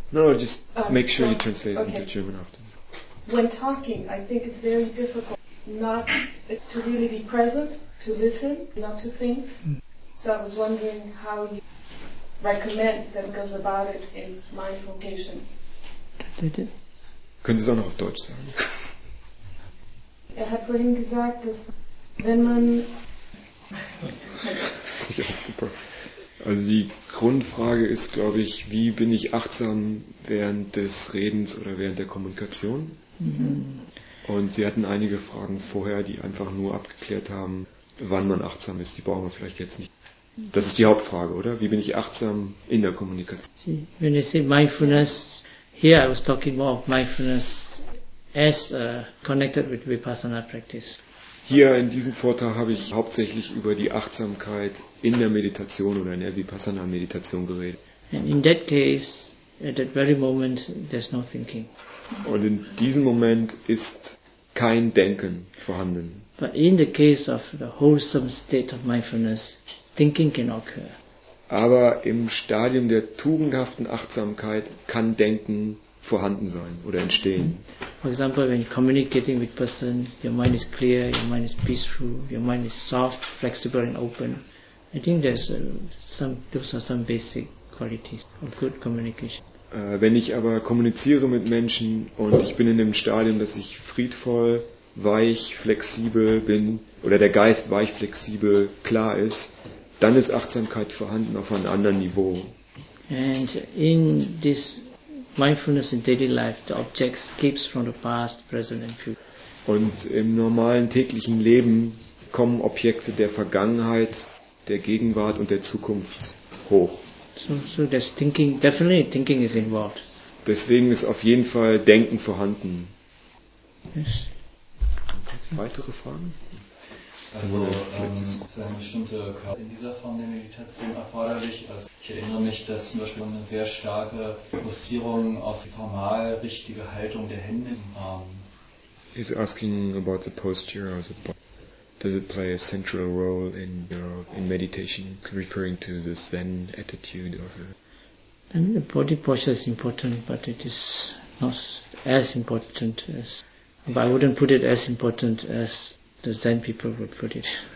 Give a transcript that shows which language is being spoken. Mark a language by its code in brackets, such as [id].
[en] No, just make sure you translate into German after. When talking, I think it's very difficult not to really be present, to listen, not to think. So I was wondering how you recommend that goes about it in mindful cognition. [de] Können Sie es auch noch auf Deutsch sagen? Er hat vorhin gesagt, dass wenn man... Also die Grundfrage ist, glaube ich, wie bin ich achtsam während des Redens oder während der Kommunikation? Und Sie hatten einige Fragen vorher, die einfach nur abgeklärt haben, wann man achtsam ist. Die brauchen wir vielleicht jetzt nicht. Das ist die Hauptfrage, oder? Wie bin ich achtsam in der Kommunikation? [en] When I say mindfulness, here I was talking more of mindfulness as connected with Vipassana practice. [de] Hier in diesem Vortrag habe ich hauptsächlich über die Achtsamkeit in der Meditation oder in der Vipassana-Meditation geredet. [en] And in that case, at that very moment, there's no thinking. [de] Und in diesem Moment ist kein Denken vorhanden. [en] But in the case of the wholesome state of mindfulness, thinking can occur. [de] Aber im Stadium der tugendhaften Achtsamkeit kann Denken vorhanden sein oder entstehen. [en] For example, when you're communicating with person, your mind is clear, your mind is peaceful, your mind is soft, flexible and open. I think there's those are some basic qualities of good communication. [de] Wenn ich aber kommuniziere mit Menschen und ich bin in dem Stadium, dass ich friedvoll, weich, flexibel bin oder der Geist weich, flexibel, klar ist, dann ist Achtsamkeit vorhanden auf einem anderen Niveau. [en] And in this mindfulness in daily life, the object skips from the past, present and future. [de] Und im normalen täglichen Leben kommen Objekte der Vergangenheit, der Gegenwart und der Zukunft hoch. [en] So there's thinking, definitely thinking is involved. [de] Deswegen ist auf jeden Fall Denken vorhanden. [en] Yes. [de] Weitere Fragen? Also ist eine bestimmte Körper in dieser Form der Meditation erforderlich. Also ich erinnere mich, dass zum Beispiel eine sehr starke Fokussierung auf die formal richtige Haltung der Hände im Arm. [en] He's asking about the posture or the body. Does it play a central role in your in meditation, referring to the Zen attitude or? And the body posture is important, but it is not as important as. But I wouldn't put it as important as the Zen people would put it.